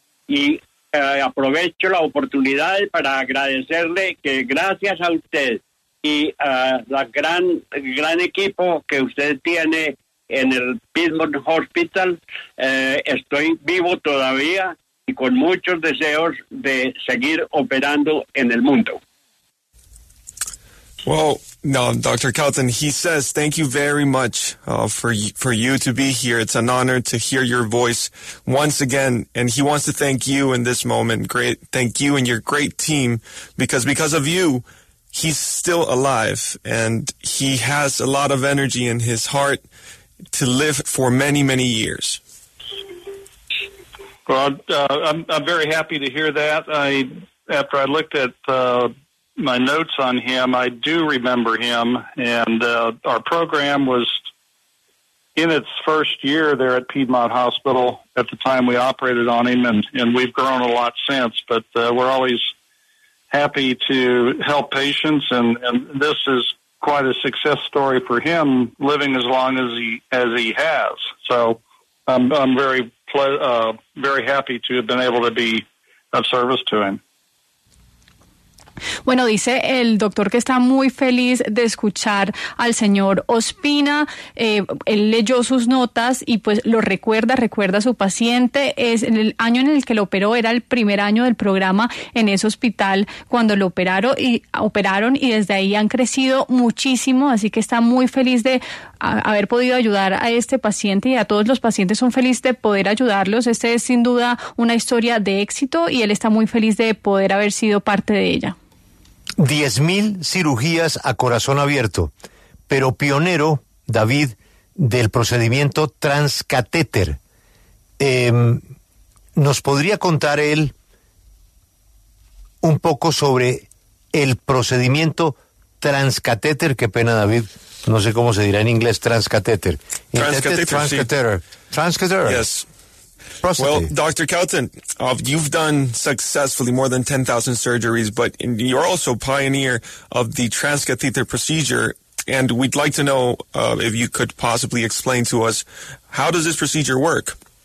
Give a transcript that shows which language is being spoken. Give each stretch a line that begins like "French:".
Spanish: Y aprovecho la oportunidad para agradecerle que gracias a usted y a la gran equipo que usted tiene en el Piedmont Hospital, estoy vivo todavía y con muchos deseos de seguir operando en el mundo.
English: Well, no, Dr. Cauten, he says thank you very much for you to be here. It's an honor to hear your voice once again. And he wants to thank you in this moment. Great. Thank you and your great team. Because of you, he's still alive. And he has a lot of energy in his heart to live for many, many years. Well, I'm very happy to hear that. After I looked at my notes on him, I do remember him, and our program was in its first year there at Piedmont Hospital at the time we operated on him, and we've grown a lot since, but we're always happy to help patients, and this is quite a success story for him living as long as he has. So I'm very very happy to have been able to be of service to him.
Spanish: Bueno, dice el doctor que está muy feliz de escuchar al señor Ospina. Él leyó sus notas y pues lo recuerda, recuerda a su paciente. Es el año en el que lo operó, era el primer año del programa en ese hospital cuando lo operaron y desde ahí han crecido muchísimo. Así que está muy feliz de haber podido ayudar a este paciente y a todos los pacientes son felices de poder ayudarlos. Este es sin duda una historia de éxito y él está muy feliz de poder haber sido parte de ella. 10.000 cirugías a corazón abierto, pero pionero, David, del procedimiento transcatéter. ¿Nos podría contar él un poco sobre el procedimiento transcatéter? Qué pena, David. No sé cómo se dirá en inglés, transcatéter.
English: Transcatéter. Yes. Prostate. Well, Dr. Kelton, you've done successfully more than 10,000 surgeries, but you're also a pioneer of the transcatheter procedure, and we'd like to know if you could possibly explain to us, how does this procedure work?